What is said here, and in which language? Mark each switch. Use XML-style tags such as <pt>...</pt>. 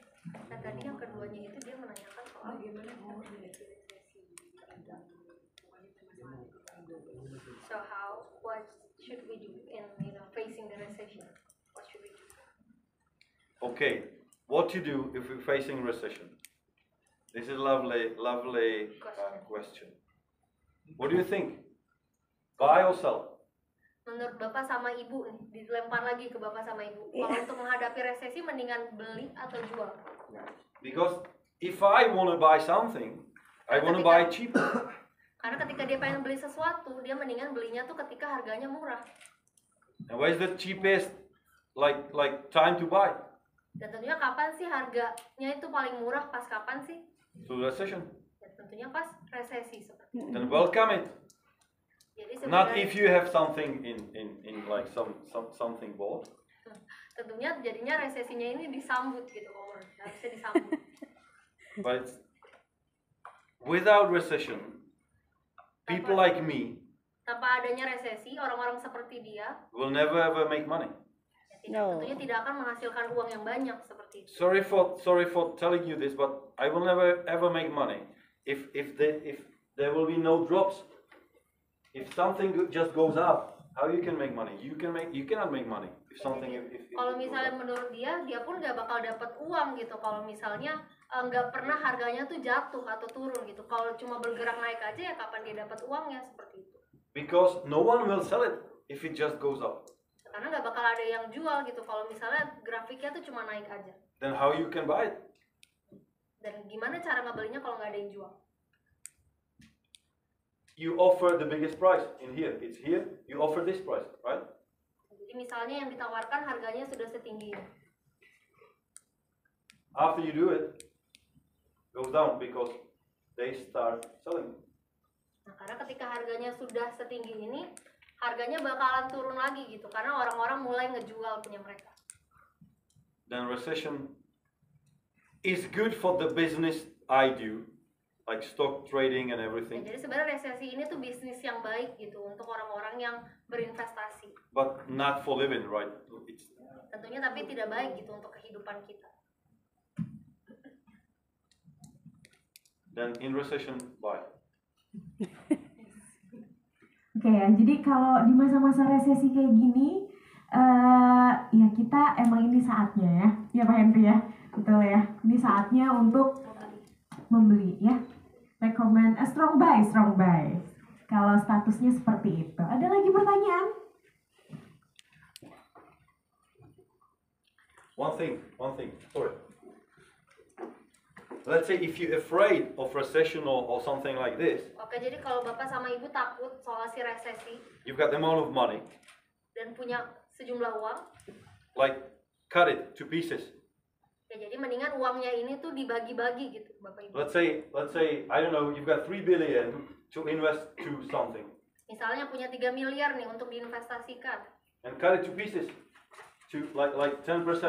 <id>Nah, tadi yang keduanya itu dia menanyakan soal bagaimana mau</id> <en>so how, what should we do in, you know, facing the recession? What should we do? Okay, what to do if we're facing recession? This is a lovely question. What do you think? Buy or sell?</en> <id>Menurut Bapak sama Ibu, dilempar lagi ke Bapak sama Ibu. Kalau untuk menghadapi resesi, mendingan beli atau jual?</id> <en>Because if I want to buy something, I want to buy cheaper.</en> <id>Karena ketika dia pengen beli sesuatu, dia mendingan belinya tuh ketika harganya murah.</id> <en>And where is the cheapest, like time to buy?</en> <id>Dan tentunya kapan sih harganya itu paling murah, pas kapan sih?</id> <en>To the recession.</en> <id>Dan tentunya pas resesi.</id> <en>Then welcome it. Not if you have something in like something bought.</en> <id>Tentunya jadinya resesinya ini disambut gitu, nggak bisa disambut.</id> <en>But without recession, people like me.</en> <id>Tanpa adanya resesi, orang-orang seperti dia.</id> <en>Will never ever make money. No.</en> <id>Tentunya tidak akan menghasilkan uang yang banyak seperti itu.</id> <en>Sorry for telling you this, but I will never ever make money if there will be no drops. If something just goes up, how you can make money? You cannot make money if something.</en> <id>Kalau misalnya menurut dia, dia pun nggak bakal dapat uang gitu. Kalau misalnya nggak pernah harganya tuh jatuh atau turun gitu. Kalau cuma bergerak naik aja ya kapan dia dapat uangnya seperti itu?</id> <en>Because no one will sell it if it just goes up.</en> <id>Karena nggak bakal ada yang jual gitu. Kalau misalnya grafiknya tuh cuma naik aja.</id> <en>Then how you can buy it?</en> <id>Dan gimana cara ngebelinya kalau nggak ada yang jual?</id> <en>You offer the biggest price in here. It's here. You offer this price, right?</en> <id>Jadi misalnya yang ditawarkan harganya sudah setinggi.</id> <en>After you do it, goes down because they start selling.</en> <id>Nah, karena ketika harganya sudah setinggi ini, harganya bakalan turun lagi gitu karena orang-orang mulai ngejual punya mereka.</id> <en>Then recession is good for the business I do. Like stock trading and everything.</en> <id>Jadi sebenarnya resesi ini tuh bisnis yang baik gitu untuk orang-orang yang berinvestasi.</id> <en>But not for living, right? It's...</en> <id>Tentunya tapi tidak baik gitu untuk kehidupan kita.</id> <en>Then in recession, buy.</en> <id>Oke ya, jadi kalau di masa-masa resesi kayak gini, ya kita emang ini saatnya ya, ya Pak Henry ya, betul ya. Ini saatnya untuk membeli ya.</id> <en>Recommend a strong buy, strong buy.</en> <id>Kalau statusnya seperti itu. Ada lagi pertanyaan?</id> <en>One thing. Sorry. Let's say if you afraid of recession or something like this.</en> <id>Oke, jadi kalau Bapak sama Ibu takut soal si resesi.</id> <en>You've got the amount of money.</en> <id>Dan punya sejumlah uang.</id> <en>Like cut it to pieces.</en> <id>Ya, jadi mendingan uangnya ini tuh dibagi-bagi gitu, Bapak Ibu.</id> <en>Let's say I don't know, you've got 3 billion to invest to something.</en> <id>Misalnya punya 3 miliar nih untuk diinvestasikan.</id> <en>And cut it to pieces to like 10%.</en>